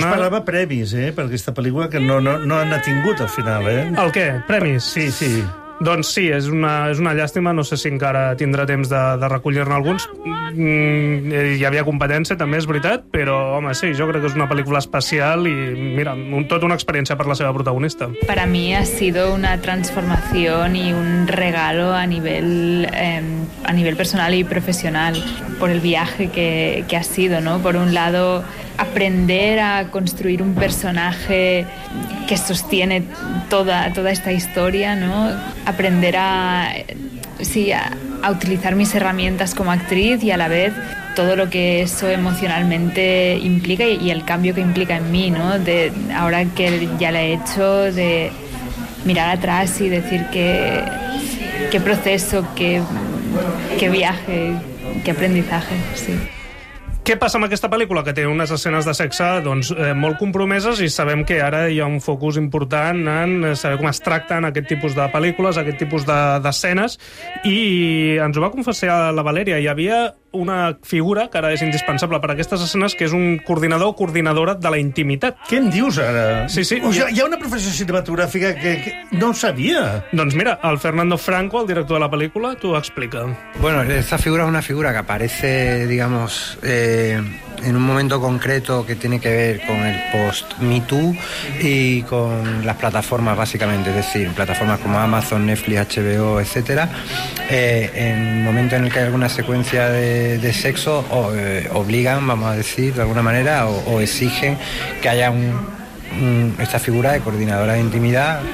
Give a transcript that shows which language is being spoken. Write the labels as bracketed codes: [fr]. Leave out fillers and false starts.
[ca] Jo esperava premis, per aquesta pel·lícula, que no han tingut al final, El què? Premis? Sí, sí. Doncs sí, és una llàstima. No sé si encara tindrà temps de recollir-ne alguns. Hi havia competència, també, és veritat, però, home, sí, jo crec que és una pel·lícula especial i, mira, tot una experiència per la seva protagonista. [es] Para mí ha sido una transformación y un regalo a nivel personal y profesional por el viaje que ha sido, ¿no? Por un lado, aprender a construir un personaje que sostiene toda esta historia, ¿no? Aprender a utilizar mis herramientas como actriz y a la vez todo lo que eso emocionalmente implica y el cambio que implica en mí, ¿no? De ahora que ya la he hecho, de mirar atrás y decir qué proceso, qué viaje, qué aprendizaje, sí. [ca] Què passa amb aquesta pel·lícula, que té unes escenes de sexe doncs, molt compromeses i sabem que ara hi ha un focus important en saber com es tracten aquest tipus de pel·lícules, aquest tipus d'escenes, i ens ho va confessar la Valèria. Hi havia una figura que ara és indispensable per a aquestes escenes, que és un coordinador o coordinadora de la intimitat. Què em dius ara? Sí, sí. O sigui, hi ha una professió cinematogràfica que no sabia. Doncs mira, el Fernando Franco, el director de la pel·lícula, t'ho explica. [es] Bueno, esta figura es una figura que aparece, digamos, en un momento concreto que tiene que ver con el post-Me Too y con las plataformas, básicamente, es decir, plataformas como Amazon, Netflix, HBO, etc. En el momento en el que hay alguna secuencia de sexo, obligan, vamos a decir, de alguna manera, o exigen que haya esta figura de coordinadora de intimidad.